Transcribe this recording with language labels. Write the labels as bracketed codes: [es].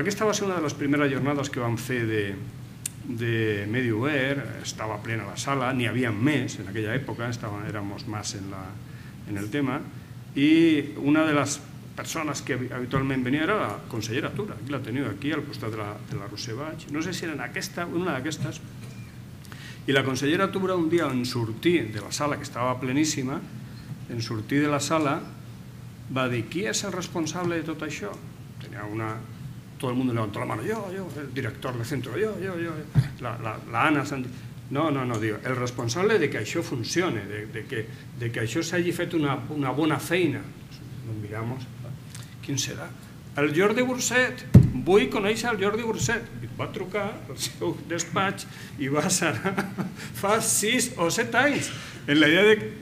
[ca] Aquesta va ser una de les primeres jornades que vam fer de Medioer, estava plena la sala, n'hi havia més en aquella època, érem més en el tema, i una de les persones que habitualment venia era la consellera Tura, que la teniu aquí al costat de la Roser Baig, no sé si era en aquesta, una d'aquestes, i la consellera Tura un dia en sortir de la sala, que estava pleníssima, en sortir de la sala, va dir, qui és el responsable de tot això? Tenia una... [es] Todo el mundo levantó la mano, yo, el director del centro, yo. [ca] La Ana... [es] No, digo, [ca] el responsable de que això funcione, de que això s'hagi fet una bona feina. [es] Nos miramos, ¿quién serà? [ca] El Jordi Burset, vull conèixer el Jordi Burset. I va trucar al seu despatx i va ser fa 6 o 7 anys. En la idea de...